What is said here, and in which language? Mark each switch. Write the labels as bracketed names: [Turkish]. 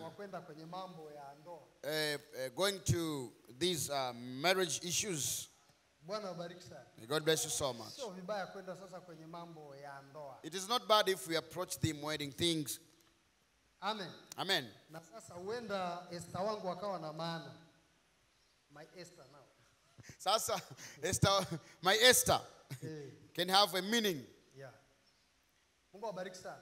[Swahili] wakwenda kwenye mambo ya ndoa. [English] Going to these marriage issues. [Swahili] Bwana ubariki sana. [English] May God bless you so much. [Swahili] Sio vibaya kwenda sasa kwenye mambo ya ndoa. [English] It is not bad if we approach the wedding things. Amen. Amen. [Swahili] Na sasa uenda Esta wangu akawa na maana. [English] My Esther now. [Swahili] Sasa [English] Esther, my Esther can have a meaning. [Swahili] Yeah. Mungu abariki sana.